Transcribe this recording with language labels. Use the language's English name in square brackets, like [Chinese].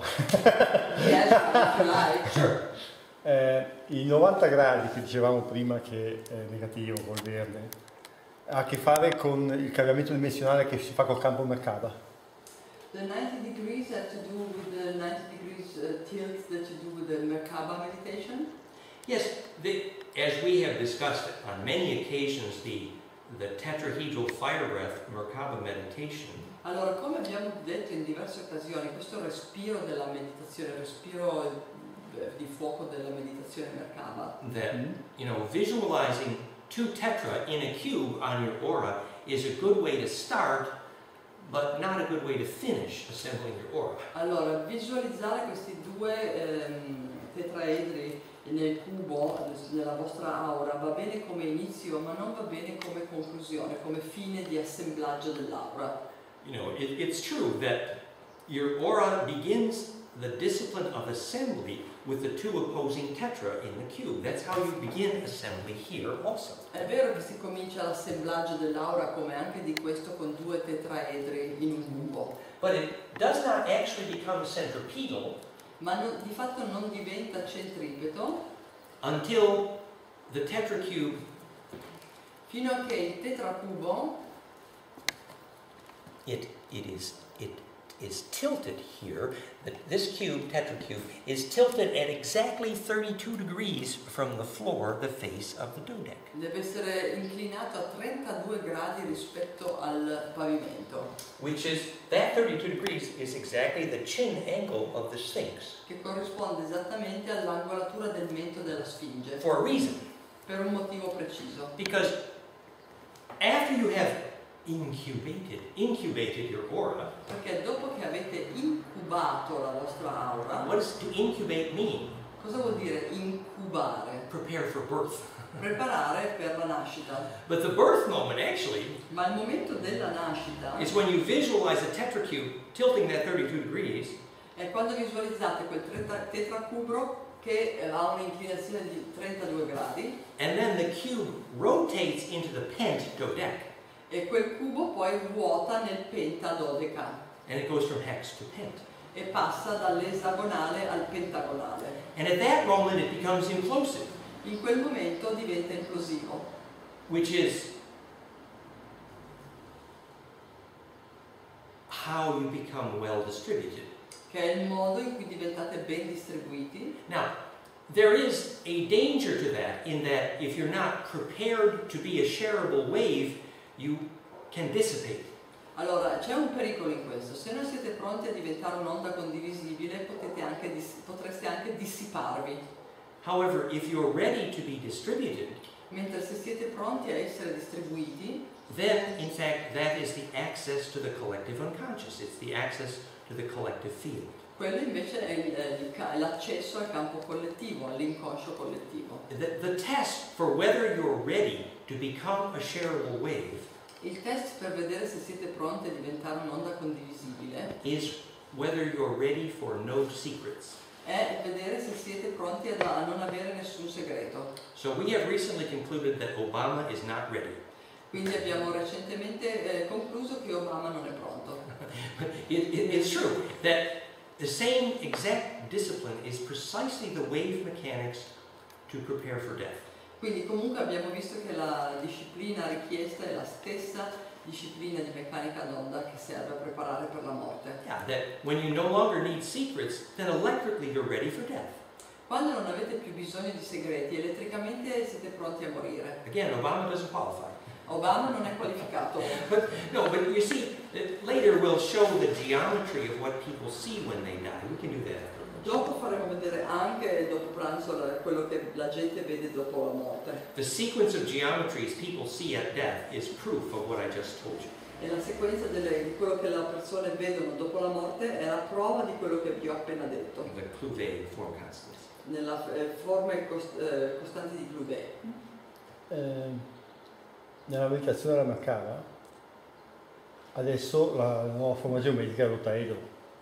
[Italian] I 90 gradi che dicevamo prima che è negativo col verde ha a che fare con il cambiamento dimensionale che si fa col campo Merkaba. [English] The 90 degrees have to do with the 90 degrees tilt that you do with the Merkaba meditation? Yes, as we have discussed on many occasions, the tetrahedral fire breath Merkaba meditation. [Italian] Allora, come abbiamo detto in diverse occasioni, questo respiro della meditazione, respiro di fuoco della meditazione Merkaba. [English] Then, you know, visualizing two tetra in a cube on your aura is a good way to start, but not a good way to finish assembling your aura. [Italian] Allora, visualizzare questi due tetraedri nel cubo nella vostra aura va bene come inizio, ma non va bene come conclusione, come fine di assemblaggio dell'aura. [English] You know, it's true that your aura begins the discipline of assembly with the two opposing tetra in the cube. That's how you begin assembly here also. [Italian] È vero che si comincia l'assemblaggio dell'aura come anche di questo con due tetraedri in un cubo. [English] But it does not actually become centripetal. [Italian] Ma no, di fatto non diventa centripeto. [English] Until the tetra cube. [Italian] Fino a che il tetracubo. [English] It is tilted here. This cube, tetra cube, is tilted at exactly 32 degrees from the floor, the face of the dodec. [Italian] Deve essere inclinato a 32 gradi rispetto al pavimento. [English] Which is that 32 degrees is exactly the chin angle of the sphinx. [Italian] Che corrisponde esattamente all'angolatura del mento della sfinge. [English] For a reason. [Italian] Per un motivo preciso. [English] Because after you have incubated your aura. [Italian] Perché dopo che avete incubato la vostra aura. [English] What does to incubate mean? [Italian] Cosa vuol dire incubare? [English] Prepare for birth. [Italian] Preparare per la nascita. [English] But the birth moment actually. [Italian] Ma il momento della nascita. [English] Is when you visualize a tetracube tilting that 32 degrees. [Italian] È quando visualizzate quel tetracubo che ha un'inclinazione di 32 gradi. [English] And then the cube rotates into the pent dodec. [Italian] E quel cubo poi ruota nel pentadodeca. [English] And it goes from hex to pent. [Italian] E passa dall'esagonale al pentagonale. [English] And at that moment it becomes implosive. [Italian] In quel momento diventa implosivo. [English] Which is how you become well distributed. [Italian] Che è il modo in cui diventate ben distribuiti. [English] Now, there is a danger to that, in that if you're not prepared to be a shareable wave, you can dissipate. [Italian] Allora, c'è un pericolo in questo. Se non siete pronti a diventare un'onda condivisibile, potreste anche dissiparvi. [English] However, if you are ready to be distributed, [Italian] mentre se siete pronti a essere distribuiti, [English] then, in fact, that is the access to the collective unconscious. It's the access to the collective field. [Italian] Quello invece è l'accesso al campo collettivo, all'inconscio collettivo. [English] The test for whether you're ready to become a shareable wave. [Italian] Il test per vedere se siete pronti a diventare un'onda condivisibile. [English] Is whether you're ready for no secrets. [Italian] È vedere se siete pronti a non avere nessun segreto. [English] So we have recently concluded that Obama is not ready. [Italian] Quindi abbiamo recentemente concluso che Obama non è pronto. [English] It's true that the same exact discipline is precisely the wave mechanics to prepare for death. [Italian] Quindi comunque abbiamo visto che la disciplina richiesta è la stessa disciplina di meccanica d'onda che serve a preparare per la morte. [English] Yeah, that when you no longer need secrets, then electrically you're ready for death. [Italian] Quando non avete più bisogno di segreti, elettricamente siete pronti a morire. [English] Again, Obama doesn't qualify. [Italian] Obama non è qualificato. [English] No, but you see, later we'll show the geometry of what people see when they die. We can do that. [Italian] Dopo faremo vedere anche dopo pranzo quello che la gente vede dopo la morte. [English] The sequence of geometries people see at death is proof of what I just told you. [Italian] E la sequenza di quello che le persone vedono dopo la morte è la prova di quello che vi ho appena detto. [English] The Cluvet form constants. [Italian] Nella forma costante di Cluvet. Nella meditazione della Merkaba, adesso la nuova forma geometrica è l'ottaedro.